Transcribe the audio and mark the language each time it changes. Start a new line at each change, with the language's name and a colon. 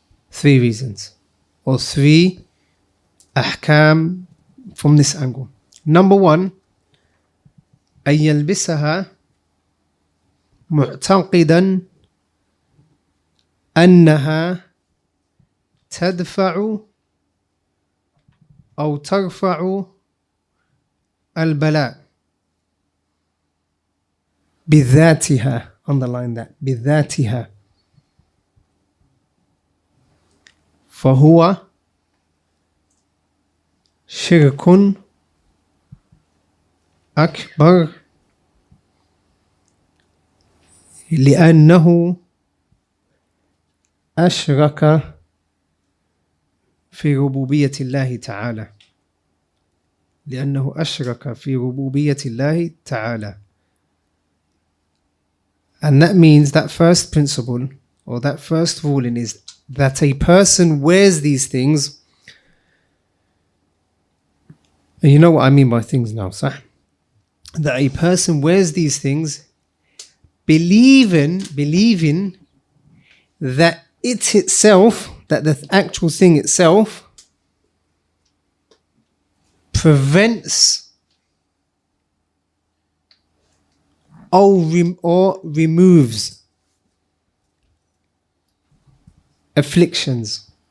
English: Three reasons, or three ahkam from this angle. Number one,
Arabic: أن يلبسها معتقدا أنها تدفع أو ترفع البلاء بذاتها.
English: Underline that, بذاتها.
Arabic: فهو شرك أكبر لأنه أشرك في ربوبية الله تعالى لأنه أشرك في ربوبية الله تعالى.
English: And that means that first principle, or that first ruling, is that a person wears these things. And you know what I mean by things now, صح? That a person wears these things believing that it itself, that the actual thing itself, prevents or removes afflictions.